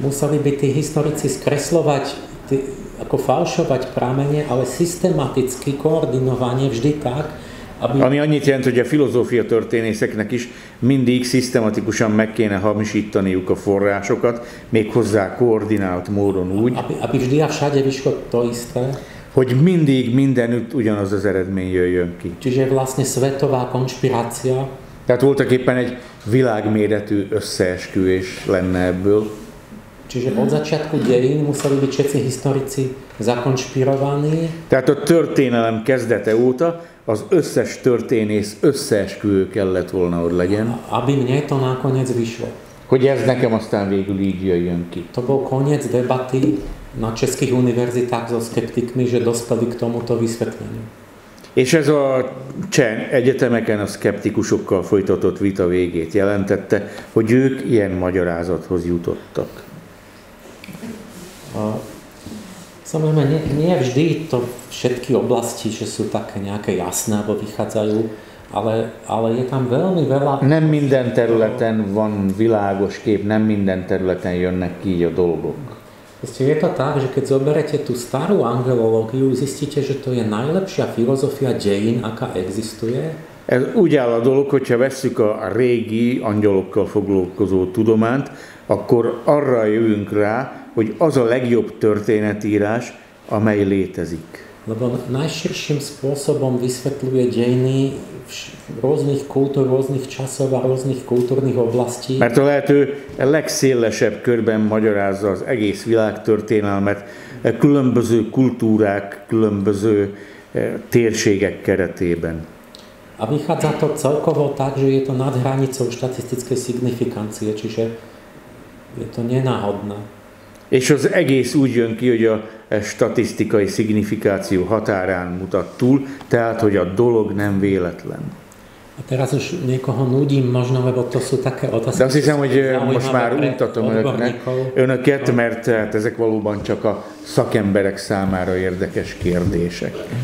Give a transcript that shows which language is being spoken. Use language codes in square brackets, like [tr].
[sk] Museli by tí historici skreslovať, ako falšovať pramene, ale systematicky, koordinovanie vždy tak, aby... [hu] Ami annyit jelent, hogy a filozófia történészeknek is mindig szisztematikusan meg kéne hamisítaniuk a forrásokat, méghozzá koordinált módon úgy, [sk] aby vždy a všade vyšlo to isté, [hu] hogy mindig mindenütt ugyanaz az eredmény jöjjön ki. [sk] Čiže vlastne svetová konspirácia. [hu] Tehát voltak éppen egy világméretű összeesküvés lenne ebből. [sk] Čiže od začiatku dejín museli byť všetci historici zakonšpirovaní. [hu] Tehát a történelem kezdete óta az összes történész összeesküvő kellett volna, hogy legyen. [sk] Aby mne to nakoniec vyšlo. [hu] Hogy ez nekem aztán végül így jöjjön ki. [sk] To bol koniec debaty na českých univerzitách so skeptikmi, že dostali k tomuto vysvetleniu. [hu] És ez a Csen egyetemeken a skeptikusokkal folytatott vita végét jelentette, hogy ők ilyen magyarázathoz jutottak. [sk] Samozrejme, nie vždy to všetky oblasti, že sú také nejaké jasné, alebo vychádzajú, ale je tam veľmi veľa... [hu] Nem minden területen van világos kép, nem minden területen jönnek ki a dolgok. [sk] Proste je to tak, že keď zoberete tú starú angelológiu, zistíte, že to je najlepšia filozofia dejín, aká existuje. [hu] Ez úgy áll a dolog, hogyha vesszük a régi angyalokkal foglalkozó tudományt, akkor arra jövünk rá, hogy az a legjobb történetírás, amely létezik. [sk] Lebo najširším spôsobom vysvetľuje dejiny rôznych kultúr, rôznych časov a rôznych kultúrnych oblastí. [hu] Mert a lehető legszélesebb körben magyarázza az egész világtörténelmet, különböző kultúrák, különböző térségek keretében. [sk] A vychádza to celkovo tak, že je to nad hranicou štatistickej signifikancie, čiže je to nenáhodné. [hu] És az egész úgy jön ki, hogy a statisztikai szignifikáció határán mutat túl, tehát, hogy a dolog nem véletlen. [sk] A teraz už niekoho nudím, možno, lebo to sú také otázky. [hu] De azt hiszem, hogy most már untatom önöket, mert hát ezek valóban csak a szakemberek számára érdekes kérdések.